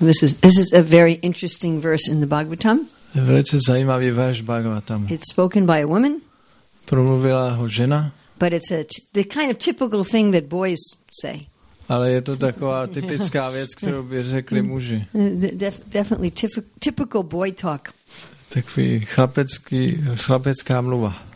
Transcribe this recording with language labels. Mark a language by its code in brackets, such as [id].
[en] This is a very interesting verse in the Bhagavatam. [cs] Je velice zajímavý verš Bhagavatam. [en] It's spoken by a woman. [cs] Promluvila ho žena. [en] But it's the kind of typical thing that boys say. [cs] Ale je to taková typická věc, kterou by řekli muži. [en] Definitely typical boy talk. [cs] Takový chlapecká mluva.